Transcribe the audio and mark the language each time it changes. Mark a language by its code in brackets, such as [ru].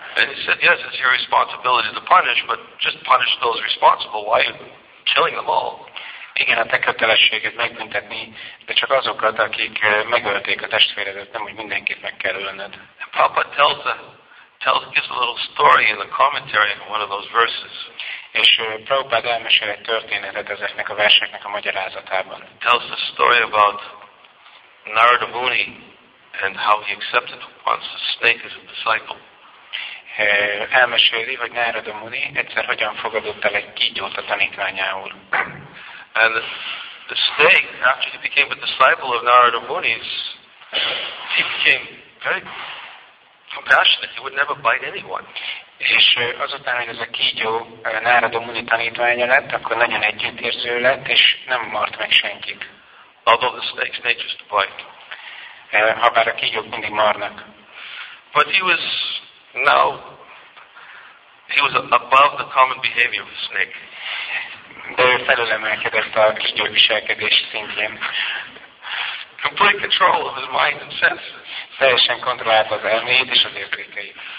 [en] And he said, yes, it's your responsibility to punish, but just punish those responsible. Why are you killing them all? [hu] Igen, a te kötelességed megbüntetni, de csak azokat, akik megölték a testvéredet, nem úgy mindenkit meg kell ölned. [en] And Papa gives a little story in the commentary of one of those verses. [hu] És Prabhupada elmesél egy történetet ezeknek a verseknek a magyarázatában. [en] Tells the story about Narada Muni and how he accepted once a snake as a disciple. [hu] Elmeséli, hogy Narada Muni egyszer hogyan fogadott el egy kígyót a tanítványául. [en] And the snake, after he became a disciple of Narada Muni's, he became very compassionate. He would never bite anyone. [hu] És azután, hogy ez a kígyó Narada Muni tanítványa lett, akkor nagyon együttérző lett, és nem mart meg senkit. [en] Although the snakes may just bite. [hu] Habár a kígyók mindig marnak. [en] But he was now, he was above the common behavior of a snake. [hu] De felülemelkedett a kígyó viselkedés szintjén. [en] Complete control of his mind and senses. [hu] Teljesen kontrollálta az elméjét és az érzékeit.